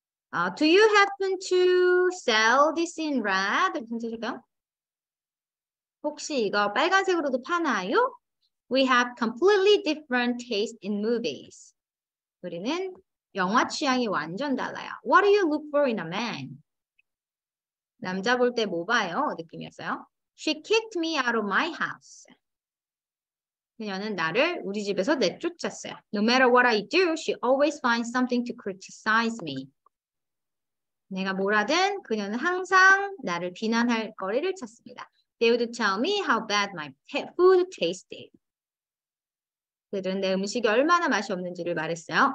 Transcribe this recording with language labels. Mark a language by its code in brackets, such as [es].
[en] Do you happen to sell this in red? [ko] 무슨 뜻일까요? 혹시 이거 빨간색으로도 파나요? [en] We have completely different taste in movies. [ko] 우리는 영화 취향이 완전 달라요. [en] What do you look for in a man? [ko] 남자 볼 때 뭐 봐요? 느낌이었어요. [en] She kicked me out of my house. [ko] 그녀는 나를 우리 집에서 내쫓았어요. [en] No matter what I do, she always finds something to criticize me. [ko] 내가 뭐라든 그녀는 항상 나를 비난할 거리를 찾습니다. [en] They would tell me how bad my food tasted. [ko] 그들은 내 음식이 얼마나 맛이 없는지를 말했어요.